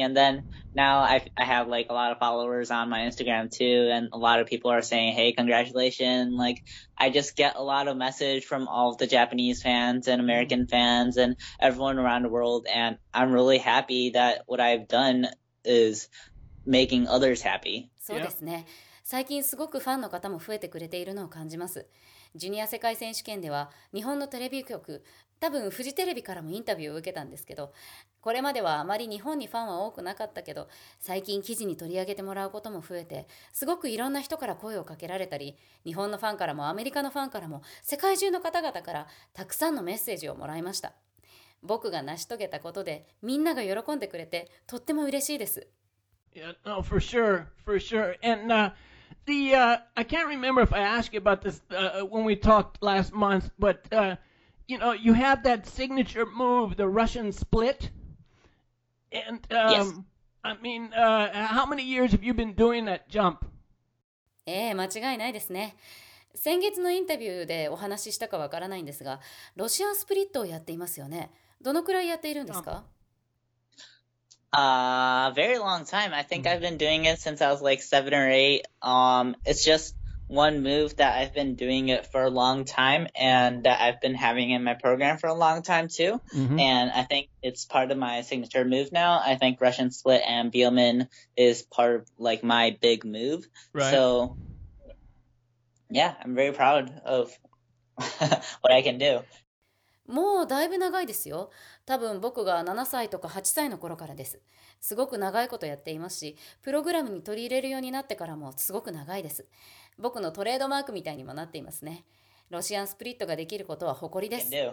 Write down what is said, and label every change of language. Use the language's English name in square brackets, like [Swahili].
[English] And then now I have, like, a lot of followers on my Instagram, too, and a lot of people are saying, hey, congratulations. Like, I just get a lot of message from all of the Japanese fans and American fans and everyone around the world, and I'm really happy that what I've done is making others happy. [Japanese] そうですね。最近すごくファンの方も増えてくれているのを感じます。ジュニア世界選手権では日本のテレビ局、多分フジテレビからもインタビューを受けたんですけど、これまではあまり日本にファンは多くなかったけど、最近記事に取り上げてもらうことも増えて、すごくいろんな人から声をかけられたり、日本のファンからもアメリカのファンからも世界中の方々からたくさんのメッセージをもらいました。僕が成し遂げたことでみんなが喜んでくれてとっても嬉しいです。 [English] Yeah, no, for sure, for sure. And, The I can't remember if I asked you about this when we talked last month, but you know, you have that signature move, the Russian split. And yes. I mean, how many years have you been doing that jump? [Japanese] 間違いないですね。先月のインタビューでお話ししたかわからないんですが、ロシアンスプリットをやっていますよね。どのくらいやっているんですか？ [English] Very long time. I think I've been doing it since I was like 7 or 8. It's just one move that I've been doing it for a long time and that I've been having in my program for a long time too. Mm-hmm. And I think it's part of my signature move now. I think Russian split and Bielman is part of like my big move. Right. So yeah, I'm very proud of what I can do. [Japanese] もうだいぶ長いですよ。多分僕が7歳とか8歳の頃からです。すごく長いことやっていますし、プログラムに取り入れるようになってからもすごく長いです。僕のトレードマークみたいにもなっていますね。ロシアンスプリットができることは誇りです。